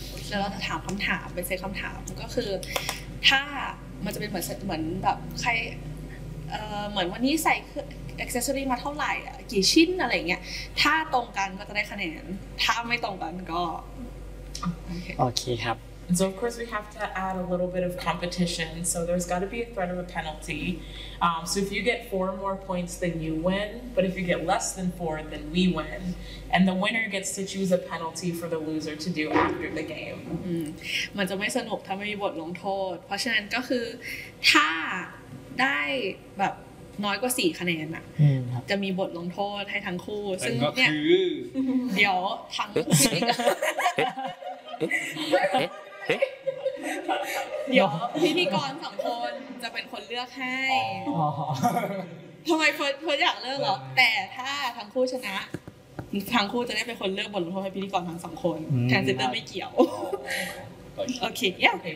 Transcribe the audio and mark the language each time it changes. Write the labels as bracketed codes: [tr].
[th] แล้วเราจะถามคำถามไปเซตคำถามก็คือถ้ามันจะเป็นเหมือนแบบใครเหมือนวันนี้ใส่accessory มาเท่าไหร่อ่ะกี่ชิ้นอะไรเงี้ยถ้าตรงกันก็จะได้คะแนนถ้าไม่ตรงกันก็ โอเคครับ [en] so of course we have to add a little bit of competition so there's got to be a threat of a penalty so if you get 4 more points then you win but if you get less than 4 then we win and the winner gets to choose a penalty for the loser to do after the game [th] มันจะไม่สนุกถ้าไม่มีบทลงโทษเพราะฉะนั้นก็คือถ้าได้แบบน้อยกว่า4คะแนน อ่ะจะมีบทลงโทษให้ทั้งคู่ซึ่งเนี่ ยเดี๋ยวทั้งเดี๋ยวพิธีกร2คนจะเป็นคนเลือกให้ทำไมเพิร์ทอยากเลือกเหรอแต่ถ้าทั้งคู่ชนะทั้งคู่จะได้เป็นคนเลือกบทลงโทษให้พิธีกรทั้ง2คนแทนซิสเตอร์ไม่เกี่ยวโอเคเย้โอเค